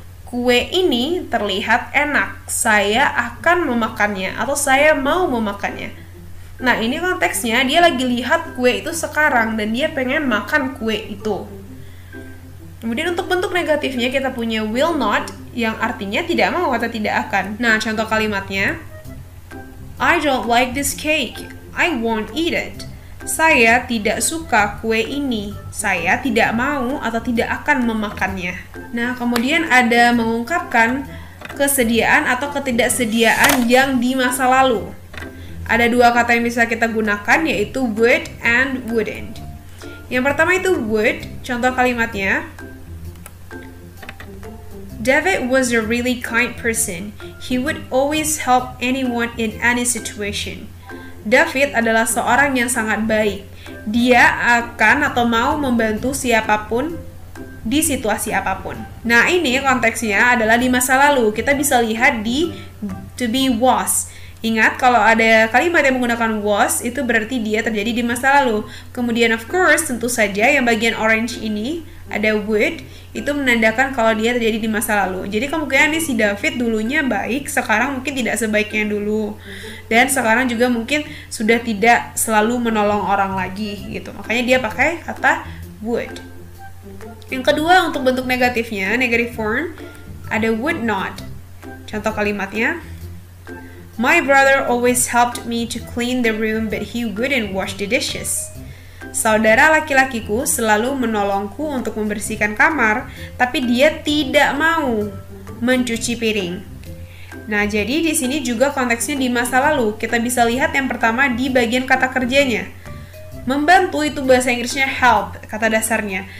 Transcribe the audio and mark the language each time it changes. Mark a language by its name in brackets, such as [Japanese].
[Indonesian] Kue ini terlihat enak, saya akan memakannya atau saya mau memakannya. Nah, ini konteksnya, dia lagi lihat kue itu sekarang dan dia pengen makan kue itu. Kemudian untuk bentuk negatifnya kita punya will not yang artinya tidak mau atau tidak akan. [English] Nah, [Indonesian] contoh kalimatnya, [English] I don't like this cake, I won't eat it. [Indonesian] Saya tidak suka kue ini, saya tidak mau atau tidak akan memakannya. Nah, kemudian ada mengungkapkan kesediaan atau ketidaksediaan yang di masa lalu. Ada dua kata yang bisa kita gunakan, yaitu would and wouldn't. Yang pertama itu [English] would, [Indonesian] contoh kalimatnya, [English] David was a really kind person. He would always help anyone in any situation. [Indonesian] David adalah seorang yang sangat baik. Dia akan atau mau membantu siapapun di situasi apapun. Nah, ini konteksnya adalah di masa lalu. Kita bisa lihat di to be was. Ingat, kalau ada kalimat yang menggunakan was, itu berarti dia terjadi di masa lalu. Kemudian, [English] of course, [Indonesian] tentu saja yang bagian orange ini, ada would, itu menandakan kalau dia terjadi di masa lalu. Jadi, kemungkinan nih si David dulunya baik, sekarang mungkin tidak sebaiknya dulu. Dan sekarang juga mungkin sudah tidak selalu menolong orang lagi, gitu. Makanya dia pakai kata would. Yang kedua, untuk bentuk negatifnya, negative form, ada would not. Contoh kalimatnya, [English] my brother always helped me to clean the room, but he wouldn't wash the dishes. [Indonesian] Saudara laki-lakiku selalu menolongku untuk membersihkan kamar, tapi dia tidak mau mencuci piring. Nah, jadi di sini juga konteksnya di masa lalu. Kita bisa lihat yang pertama di bagian kata kerjanya. Membantu itu bahasa Inggrisnya help, kata dasarnya.